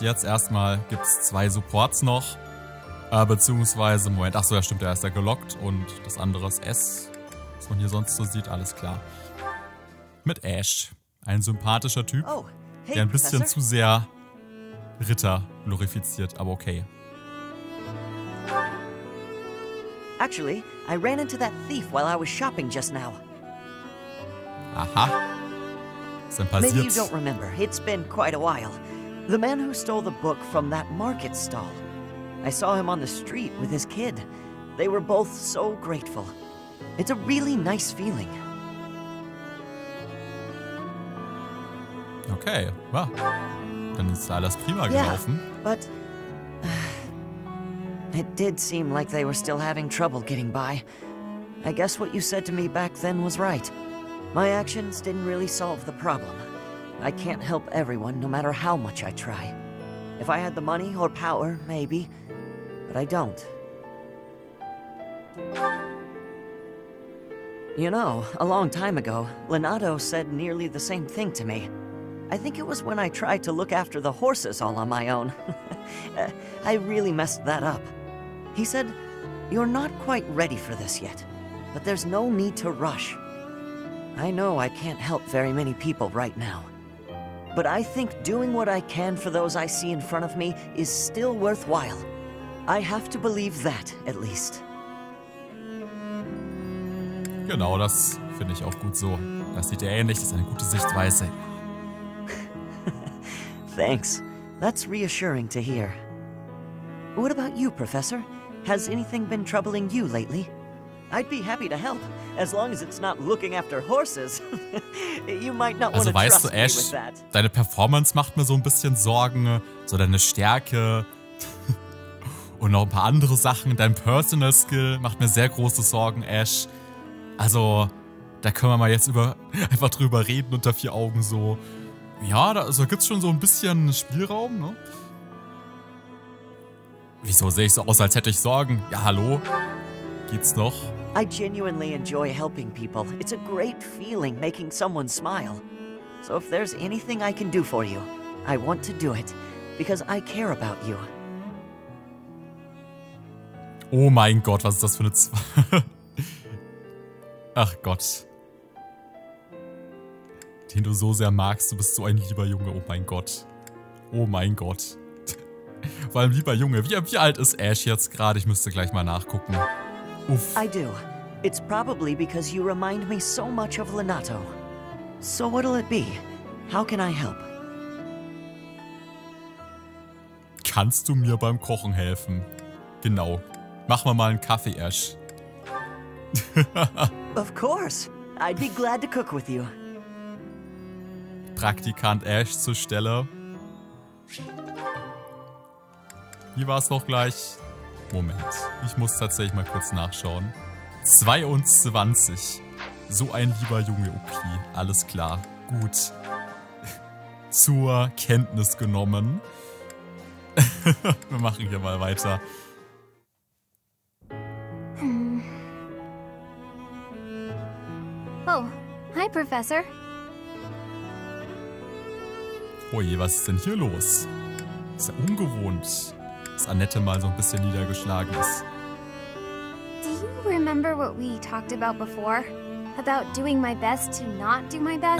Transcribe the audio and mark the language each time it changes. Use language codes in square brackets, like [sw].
[de] Jetzt erstmal gibt es zwei Supports noch. Beziehungsweise, Moment, ach so, ja stimmt, der ist ja gelockt. Und das andere ist S, was man hier sonst so sieht. Alles klar. Mit Ash. Ein sympathischer Typ, der ein bisschen zu sehr Ritter glorifiziert. Aber okay. [en] Actually, I ran into that thief while I was shopping just now. [de] Aha. Was denn passiert? [en] Maybe you don't remember. It's been quite a while. The man who stole the book from that market stall. I saw him on the street with his kid. They were both so grateful. It's a really nice feeling. [de] Okay, well, dann ist alles prima gelaufen. [en] Yeah, but... It did seem like they were still having trouble getting by. I guess what you said to me back then was right. My actions didn't really solve the problem. I can't help everyone, no matter how much I try. If I had the money or power, maybe. But I don't. You know, a long time ago, Lenato said nearly the same thing to me. I think it was when I tried to look after the horses all on my own. I really messed that up. He said, "You're not quite ready for this yet, but there's no need to rush. I know I can't help very many people right now. But I think doing what I can for those I see in front of me is still worthwhile. I have to believe that, at least." [de] Genau, das finde ich auch gut so. Das sieht ja ähnlich, das ist eine gute Sichtweise. [en] Thanks. That's reassuring to hear. What about you, Professor? Has anything been troubling you lately? I'd be happy to help, as long as it's not looking after horses. You might not [de] also [en] want to trust me with that. [de] Also weißt du, Ash, deine Performance macht mir so ein bisschen Sorgen, so deine Stärke und noch ein paar andere Sachen. Dein Personal Skill macht mir sehr große Sorgen, Ash. Also, da können wir mal jetzt einfach drüber reden unter vier Augen so. Ja, da gibt es schon so ein bisschen Spielraum, ne? Wieso sehe ich so aus, als hätte ich Sorgen? Ja, hallo? Geht's noch? [en] I genuinely enjoy helping people. It's a great feeling making someone smile. So if there's anything I can do for you, I want to do it, because I care about you. [de] Oh mein Gott, was ist das für eine Ach Gott. Den du so sehr magst, du bist so ein lieber Junge. Oh mein Gott. Oh mein Gott. Vor allem lieber Junge. Wie alt ist Ash jetzt gerade? Ich müsste gleich mal nachgucken. Uff. [en] I do. It's probably because you remind me so much of Lenato. So what'll it be? How can I help? [de] Kannst du mir beim Kochen helfen? Genau. Machen wir mal einen Kaffee, Ash. [en] Of course. I'd be glad to cook with you. [de] Praktikant Ash zur Stelle. Wie war es noch gleich? Moment, ich muss tatsächlich mal kurz nachschauen. 22. So ein lieber Junge, okay. Alles klar, gut. Zur Kenntnis genommen. Wir machen hier mal weiter. [en] Oh, hi Professor. [de] Oje, was ist denn hier los? Ist ja ungewohnt, dass Annette mal so ein bisschen niedergeschlagen ist. [en] Do you remember what we talked about before? About doing my best to not do my best?